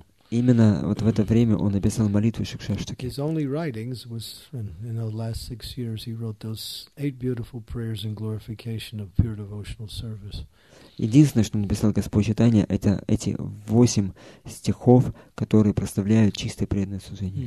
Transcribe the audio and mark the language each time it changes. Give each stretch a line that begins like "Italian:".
Russian: Именно вот в это время он написал молитву Шикшаштаки.
English: His only writings was in the last 6 years he wrote those 8 beautiful prayers in glorification of pure devotional service.
Russian: Единственное, что написал Господь Читания, это эти 8 стихов, которые прославляют чистое преданное служение.